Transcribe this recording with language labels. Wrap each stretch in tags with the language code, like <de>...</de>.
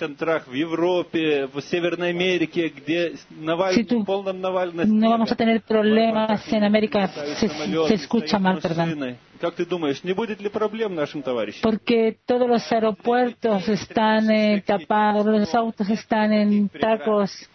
<es>No vamos a tener problemas en América, se escucha mal, perdón.</es> <ru>Как ты думаешь, не будет ли проблем нашим товарищам?</ru> <es>Porque todos los aeropuertos están tapados, los autos están en tacos.</es>